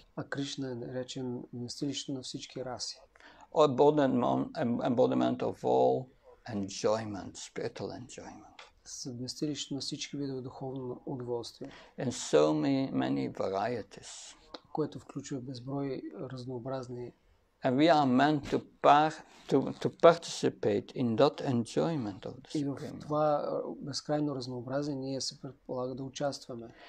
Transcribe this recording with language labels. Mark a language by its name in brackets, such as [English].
[Bulgarian] А Кришна е наречен вместилището на всички раси. [English] Embodiment of all enjoyment, spiritual enjoyment. [Bulgarian] Вместилището на всички видове духовно удоволствие. [English] And so many varieties. [Bulgarian] Което включва безброй разнообразни. [English] And we are meant to participate in that enjoyment of the Supreme. [Bulgarian] И в това безкрайно разнообразие ние се предполага да участваме.